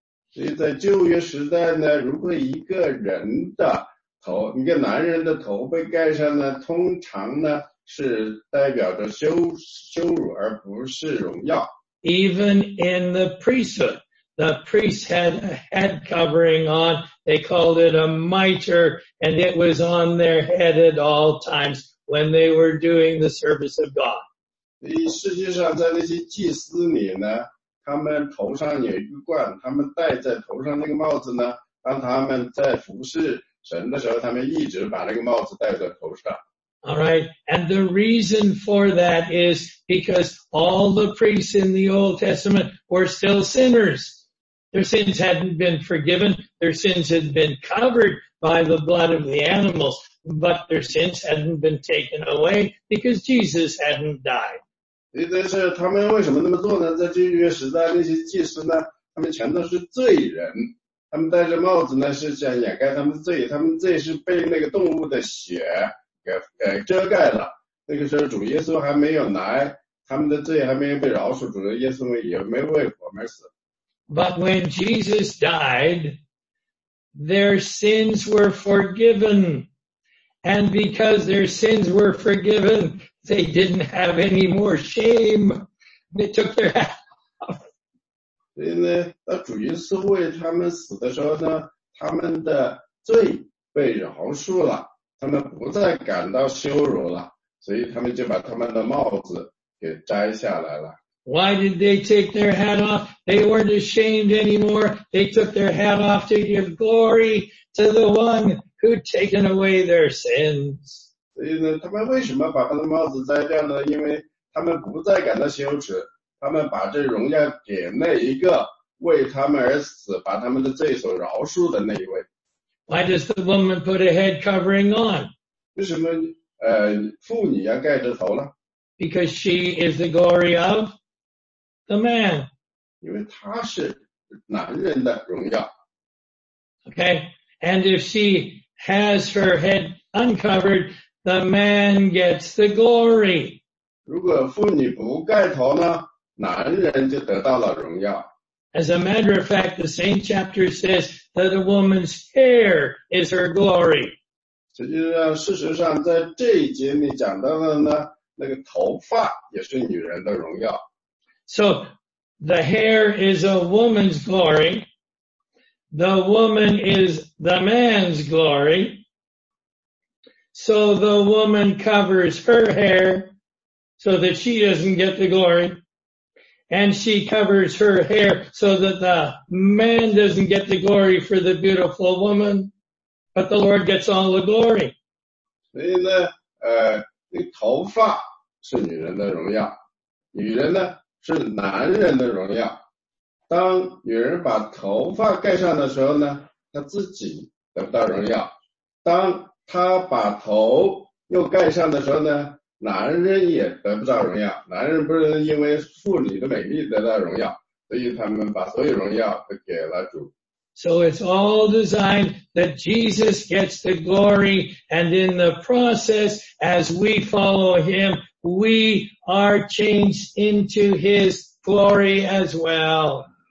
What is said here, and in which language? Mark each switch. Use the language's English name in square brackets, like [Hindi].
[Chinese] 所以在旧约时代呢，如果一个人的头，一个男人的头被盖上呢，通常呢是代表着羞辱，而不是荣耀。 [English] Even in the priesthood, the priest had a head covering on. They called it a mitre, and it was on their head at all times when they were doing the service of God. [Chinese] 所以实际上在那些祭司里呢，他们头上有一个冠，他们戴在头上那个帽子呢，当他们在服侍神的时候，他们一直把那个帽子戴在头上。 [English] All right, and the reason for that is because all the priests in the Old Testament were still sinners. Their sins hadn't been forgiven. Their sins had been covered by the blood of the animals, but their sins hadn't been taken away because Jesus hadn't died. [Chinese] 但是他们为什么那么做呢？在旧约时代，那些祭司呢，他们全都是罪人。他们戴着帽子呢，是想掩盖他们的罪。他们罪是被那个动物的血遮盖了。那个时候主耶稣还没有来，他们的罪还没有被饶恕，主耶稣也没为我们死。 [English] But when Jesus died, their sins were forgiven. And because their sins were forgiven, they didn't have any more shame. They took their hat off. [Chinese] 所以呢，当主耶稣为他们死的时候呢，他们的罪被饶恕了。他们不再感到羞辱了，所以他们就把他们的帽子给摘下来了。 [English] Why did they take their hat off? They weren't ashamed anymore. They took their hat off to give glory to the one who'd taken away their sins. [Chinese] 所以呢，他们为什么把他的帽子摘掉呢？因为他们不再感到羞耻，他们把这荣耀给那一个为他们而死，把他们的罪所饶恕的那一位。 [English] Why does the woman put a head covering on? [Chinese] 为什么妇女要盖着头呢？ [English] Because she is the glory of the man. [Chinese] 因为她是男人的荣耀。 [English] Okay, and if she has her head uncovered, the man gets the glory. [Chinese] 如果妇女不盖头呢，男人就得到了荣耀。 [English] As a matter of fact, the same chapter says that a woman's hair is her glory. [Chinese] 实际上，事实上，在这一节里讲到了呢，那个头发也是女人的荣耀。 [English] So the hair is a woman's glory. The woman is the man's glory. So the woman covers her hair so that she doesn't get the glory. And she covers her hair so that the man doesn't get the glory for the beautiful woman, but the Lord gets all the glory. [Chinese] 所以呢，头发是女人的荣耀，女人呢是男人的荣耀。当女人把头发盖上的时候呢，她自己得不到荣耀。当她把头又盖上的时候呢，男人也得不到荣耀，男人不是因为妇女的美丽得到荣耀，所以他们把所有荣耀都给了主。 [English] So it's all designed that Jesus gets the glory, and in the process, as we follow him, we are changed into his glory as well.